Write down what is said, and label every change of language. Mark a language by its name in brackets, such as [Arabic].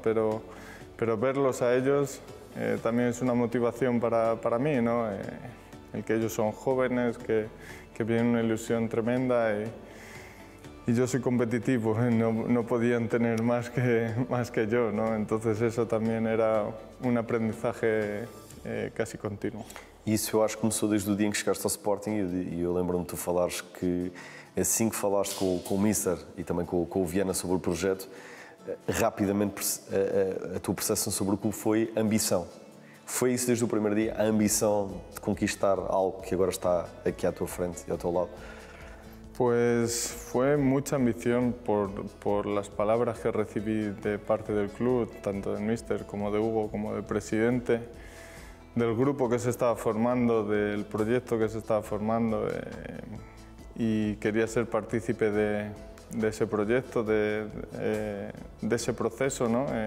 [Spanish] Pero verlos a ellos también es una motivación para mí, ¿no? El que ellos son jóvenes, que vienen una ilusión tremenda y yo soy competitivo, no podían tener más que yo, ¿no? Entonces eso también era un aprendizaje casi continuo. [Portuguese] Isso eu acho que começou desde o dia em que chegaste ao Sporting e eu lembro-me de tu falares que assim que falaste com o Mister e também com o Viana sobre o projeto, rapidamente a tua percepção sobre o clube foi ambição. Foi isso desde o primeiro dia, a ambição de conquistar algo que agora está aqui à tua frente e ao teu lado? [Spanish] Pues fue mucha ambición por las palabras que recibí de parte del club, tanto del míster como de Hugo, como del presidente, del grupo que se estaba formando, del proyecto que se estaba formando. Y quería ser partícipe de ese proyecto, de ese proceso, ¿no?